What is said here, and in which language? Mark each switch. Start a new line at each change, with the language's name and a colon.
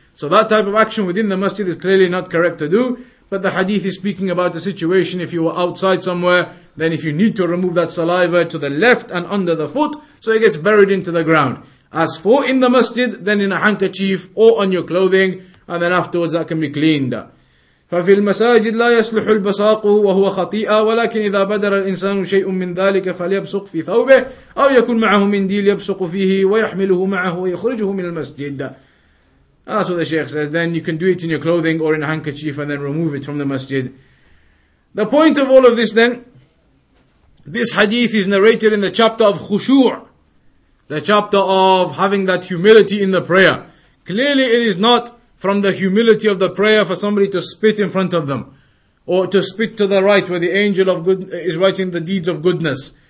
English: So that type of action within the masjid is clearly not correct to do, but the hadith is speaking about the situation if you were outside somewhere, then if you need to remove that saliva to the left and under the foot, so it gets buried into the ground. As for in the masjid, then in a handkerchief or on your clothing, and then afterwards that can be cleaned.
Arabic: ففي المساجد لا يصلح البصاق وهو خطيئة ولكن إذا بدر الإنسان شيء من ذلك فليبصق في ثوبه أو يكون معه منديل يبصق فيه ويحمله معه ويخرجه من المسجد.
English: That's what the Shaykh says. Then you can do it in your clothing or in a handkerchief and then remove it from the masjid. The point of all of this then, this hadith is narrated in the chapter of khushu', the chapter of having that humility in the prayer. Clearly it is not from the humility of the prayer for somebody to spit in front of them, or to spit to the right where the angel of good is writing the deeds of goodness.